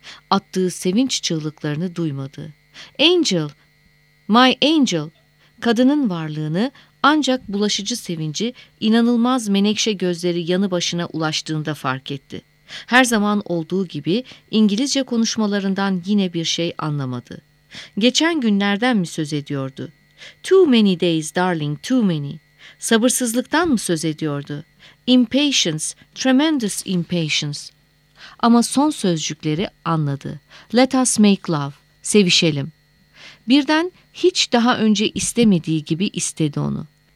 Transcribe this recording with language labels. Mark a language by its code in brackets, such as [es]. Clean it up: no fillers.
[tr] Attığı sevinç çığlıklarını duymadı. [en] Angel, my angel, [tr] kadının varlığını ancak bulaşıcı sevinci inanılmaz menekşe gözleri yanı başına ulaştığında fark etti. Her zaman olduğu gibi İngilizce konuşmalarından yine bir şey anlamadı. Geçen günlerden mi söz ediyordu? [en] Too many days, darling, too many. [tr] Sabırsızlıktan mı söz ediyordu? [en] Impatience, tremendous impatience. [tr] Ama son sözcükleri anladı. [en] Let us make love, [tr] sevişelim. Birden hiç daha önce istemediği gibi istedi onu.